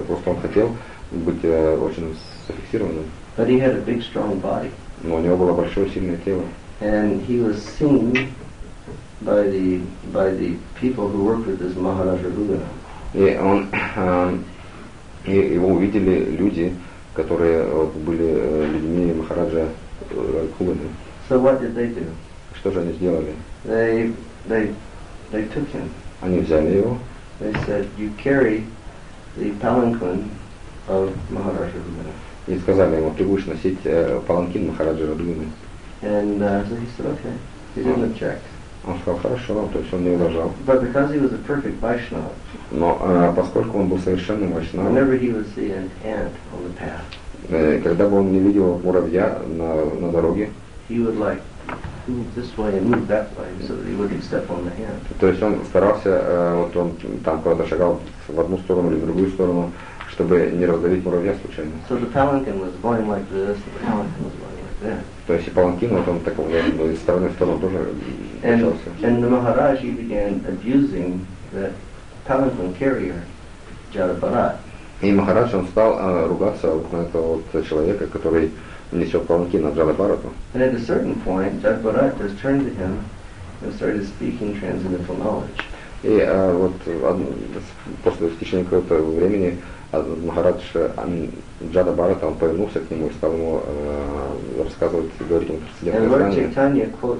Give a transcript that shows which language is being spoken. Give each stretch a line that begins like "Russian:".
Russian: Просто он хотел быть очень зафиксированным.
English: But he had a big, strong body.
Russian: Но у него было большое, сильное тело.
English: And he was seen by the people who worked with this Maharaja Rudra.
Russian: И он и его увидели люди, которые были людьми Махараджа Рудры.
English: So what did they do?
Russian: Что же они сделали?
English: They took him.
Russian: Они взяли его.
English: They said, "You carry the palanquin of Maharaja Rudra."
Russian: И сказали ему, ты будешь носить паланкин Махараджа Рудры.
English: And so he said, "Okay." He didn't object.
Russian: Он сказал, хорошо, то есть он не возражал.
English: But because he was a perfect Vaishnava.
Russian: Но поскольку он был совершенным вайшнавом,
English: whenever he would see an ant on the path,
Russian: когда бы он не видел муравья на дороге,
English: he would like move this way and move that way so that he wouldn't step on the ant.
Russian: То есть он старался, вот он там куда-то шагал в одну сторону или в другую сторону, чтобы не раздавить муравья случайно.
English: So the palanquin was going like this, the palanquin was going like that.
Russian: То есть и паланкин, вот он такой, из стороны в сторону тоже начался.
English: And the Maharaji began abusing that palanquin carrier, Jadabharat.
Russian: И Махарадж, он стал ругаться на этого вот человека, который несет паланкин на Джадабарату.
English: And at a certain point, Jadabharat just turned to him and started speaking transcendental knowledge.
Russian: И вот в течение какого-то времени Махарадж Джадабарата, он повернулся к нему и стал ему рассказывать, говорить ему трансцендентное знание.